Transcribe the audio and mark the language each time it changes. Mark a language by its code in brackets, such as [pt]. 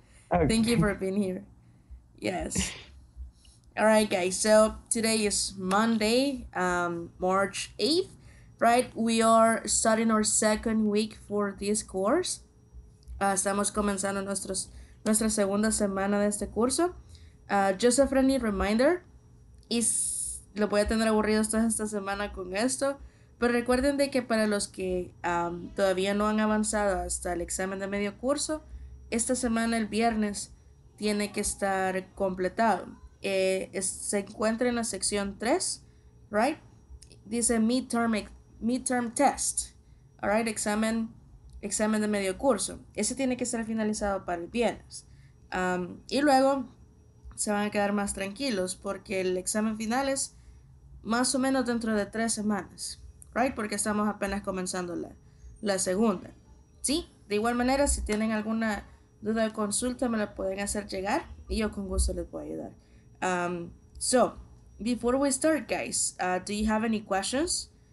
[en] Thank you for being here. Yes. All right, guys. So today is Monday, March 8th, right? We are starting our second week for this course. [es] Estamos comenzando nuestra segunda semana de este curso. [en] Just a friendly reminder, [es] is lo voy a tener aburrido toda esta semana con esto, pero recuerden de que para los que todavía no han avanzado hasta el examen de medio curso, esta semana, el viernes, tiene que estar completado. Se encuentra en la sección 3, right? [en] Dice midterm test, all right? [es] Examen de medio curso. Ese tiene que estar finalizado para el viernes. Y luego se van a quedar más tranquilos porque el examen final es más o menos dentro de 3 semanas, right? Porque estamos apenas comenzando la segunda, ¿sí? De igual manera, si tienen alguna duda o consulta, me la pueden hacer llegar y yo con gusto les puedo ayudar. [en] So, before we start, guys, do you have any questions?